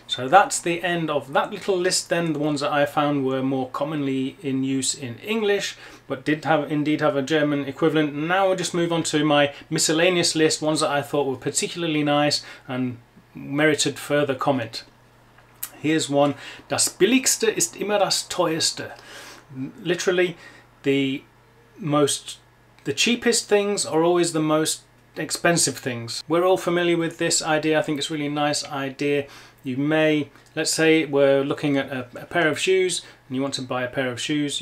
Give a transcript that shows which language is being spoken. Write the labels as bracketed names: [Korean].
[English] So that's the end of that little list then, the ones that I found were more commonly in use in English, but did have indeed have a German equivalent. Now we'll just move on to my miscellaneous list, ones that I thought were particularly nice and merited further comment. Here's one, [German] das billigste ist immer das teuerste. [English] Literally, the cheapest things are always the most expensive things. We're all familiar with this idea. I think it's really a nice idea. You may, let's say we're looking at a pair of shoes and you want to buy a pair of shoes.